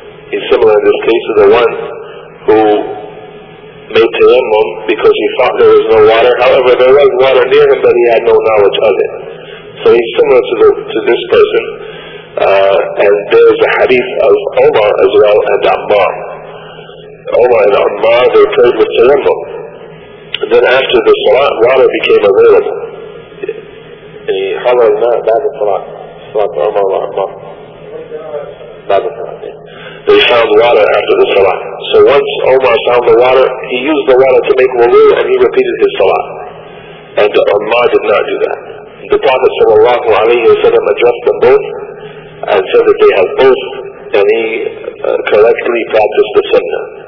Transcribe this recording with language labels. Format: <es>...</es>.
<en>He's similar in this case to the one who made tayammum because he thought there was no water, however there was water near him but he had no knowledge of it. So he's similar to this person, and there's a hadith of Omar as well and Ammar. Omar and Ammar, they prayed with tayammum. Then after the salat, water became available.</en> <ar>بعد الصلاة، صلاة عمر وعمار بعد الصلاة.</ar> <en>they found water after the salat. So once Omar found the water, he used the water to make wudu and he repeated his salat. And Omar did not do that. The Prophet sallallahu alayhi wa sallam addressed them both and said that they have both, and he correctly practiced the sunnah.</en>